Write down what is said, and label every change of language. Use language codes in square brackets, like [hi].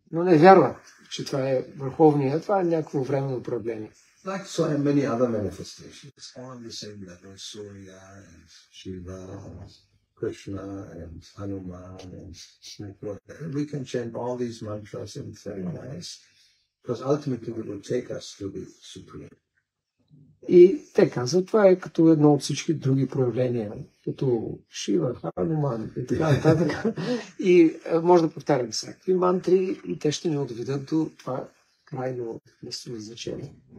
[bg] Но не вярват, че това е върховния, това е някакво време управление. [en] Like so and many other manifestations, all on the same level, Surya and Shiva and Krishna and Hanuman and Snake. We can chant all these mantras and very nice, because ultimately it will take us to the Supreme. [bg] И те казват, това е като едно от всички други проявления, като Шива, Хануман и така нататък. И може да повтаряме всякакви мантри и те ще ни отведат до това крайно место на значение.